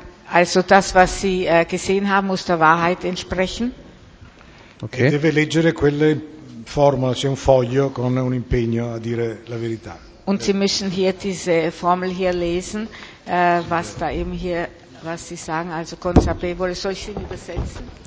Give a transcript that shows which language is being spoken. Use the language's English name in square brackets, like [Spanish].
[German] Also das, was Sie gesehen haben, muss der Wahrheit entsprechen. Okay. [Italian] E deve leggere quelle formule, c'è un foglio con un impegno a dire la verità. [German] Und Sie müssen hier diese Formel hier lesen, was da eben hier, was Sie sagen, also consapevole, soll ich Sie übersetzen?